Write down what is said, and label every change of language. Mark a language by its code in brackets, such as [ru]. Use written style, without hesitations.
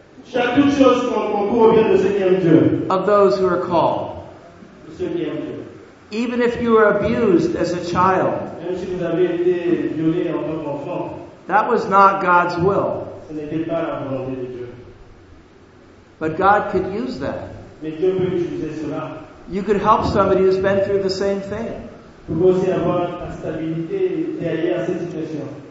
[fr] Chaque chose concourt bien de ce qui aime Dieu. [en] Of those who are called. Even if you were abused as a child. [fr] Même si vous avez été violé en tant qu'enfant. [en] That was not God's will. [fr] Ce n'était pas la volonté de Dieu. [en] But God could use that. [fr] Mais Dieu peut utiliser cela. [en] You could help somebody who's been through the same thing. [fr] Pour aussi avoir la stabilité derrière cette situation.